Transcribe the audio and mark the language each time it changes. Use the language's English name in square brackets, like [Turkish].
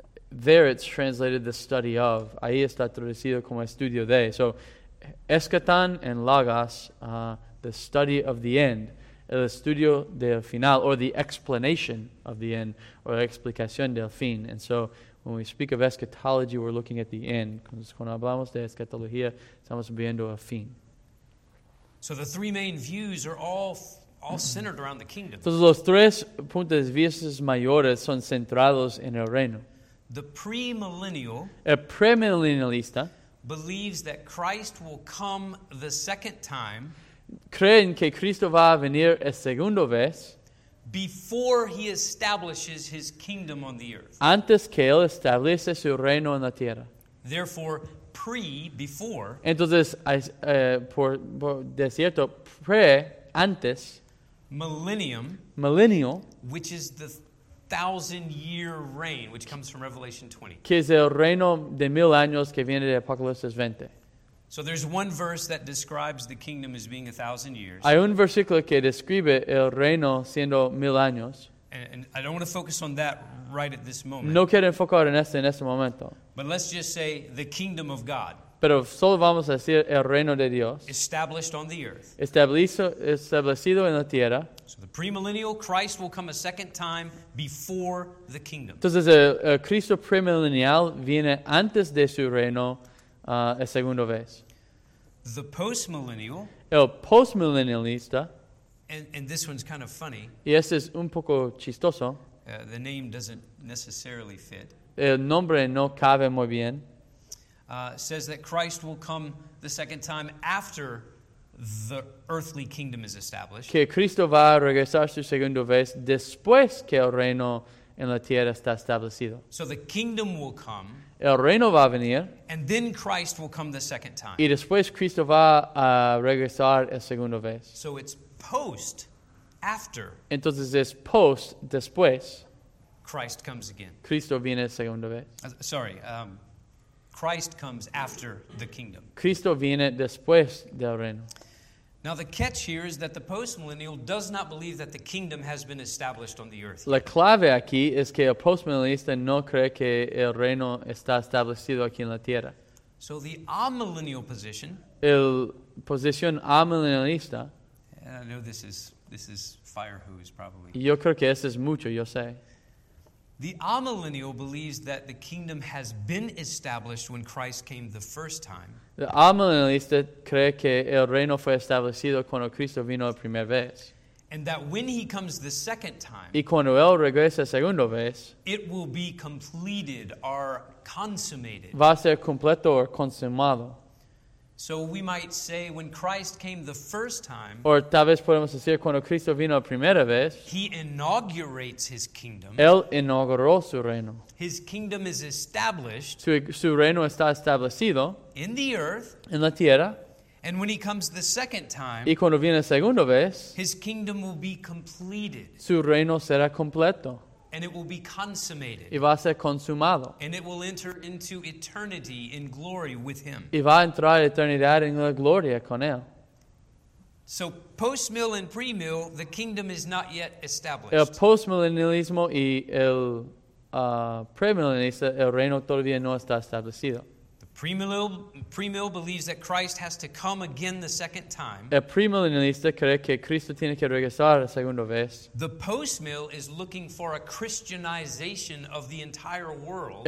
[English] There it's translated the study of. [Spanish] Ahí está traducido como estudio de. [English] So, eschaton and logos, the study of the end. [Spanish] El estudio del final, [English] or the explanation of the end, or [Spanish] explicación del fin. [English] And so, when we speak of eschatology, we're looking at the end. [Spanish] Cuando hablamos de eschatología, estamos viendo el fin. [English] So the three main views are all centered around the kingdom. [Spanish] Entonces, los tres puntos de vista mayores son centrados en el reino. [English] The premillennial, [Spanish] el premillennialista, [English] believes that Christ will come the second time. [Spanish] Creen que Cristo va a venir la segunda vez. [English] Before he establishes his kingdom on the earth. [Spanish] Antes que él establece su reino en la tierra. [English] Therefore, pre, before. [Spanish] Entonces, por de cierto, pre, antes. [English] Millennium. Millennial. Which is the thousand-year reign, which comes from Revelation 20. [Spanish] Que es el reino de mil años que viene de Apocalipsis 20. [English] So there's one verse that describes the kingdom as being 1,000 years. [Spanish] Hay un versículo que describe el reino siendo mil años. [English] And I don't want to focus on that right at this moment. [Spanish] No quiero enfocar en este momento. [English] But let's just say the kingdom of God. [Spanish] Pero solo vamos a decir el reino de Dios. [English] Established on the earth. [Spanish] Establecido en la tierra. [English] So the premillennial Christ will come a second time before the kingdom. [Spanish] Entonces el Cristo premillennial viene antes de su reino. La segunda vez. [English] The postmillennial. [Spanish] El postmillennialista. [English] And this one's kind of funny. [Spanish] Y este es un poco chistoso. [English] The name doesn't necessarily fit. [Spanish] El nombre no cabe muy bien. [English] Says that Christ will come the second time after the earthly kingdom is established. [Spanish] Que Cristo va a regresar su segunda vez después que el reino en la tierra está establecido. [English] So the kingdom will come. [Spanish] El reino va a venir. [English] And then Christ will come the second time. [Spanish] Y después Cristo va a regresar la segunda vez. [English] So it's post, after. [Spanish] Entonces es post, después. [English] Christ comes again. [Spanish] Cristo viene la segunda vez. [English] Christ comes after the kingdom. [Spanish] Cristo viene después del reino. [English] Now the catch here is that the postmillennial does not believe that the kingdom has been established on the earth. [Spanish] La clave aquí es que el postmillennialista no cree que el reino está establecido aquí en la tierra. [English] So the amillennial position. [Spanish] El posición amillennialista. [English] I know this is fire hose probably. [Spanish] Yo creo que eso es mucho, yo sé. [English] The amillennial believes that the kingdom has been established when Christ came the first time. [Spanish] El amillennialista cree que el reino fue establecido cuando Cristo vino la primera vez. [English] And that when he comes the second time, [Spanish] y cuando él regresa la segunda vez, [English] it will be completed or consummated. [Spanish] Va a ser completo o consumado. [English] So we might say when Christ came the first time, [Spanish] or tal vez podemos decir cuando Cristo vino la primera vez, [English] he inaugurates his kingdom. [Spanish] Él inauguró su reino. [English] His kingdom is established. [Spanish] Su reino está establecido. [English] In the earth. [Spanish] En la tierra. [English] And when he comes the second time, [Spanish] y cuando viene la segunda vez, [English] his kingdom will be completed. [Spanish] Su reino será completo. [English] And it will be consummated. [Spanish] Y va a ser consumado. [English] And it will enter into eternity in glory with him. [Spanish] Y va a entrar a eternidad en la gloria con él. [English] So post-mill and pre-mill, the kingdom is not yet established. [Spanish] El post-millennialismo y el pre-millennialismo, el reino todavía no está establecido. [English] Premillennial believes that Christ has to come again the second time. [Spanish] El premillennialista cree que Cristo tiene que regresar la segunda vez. [English] The postmill is looking for a Christianization of the entire world.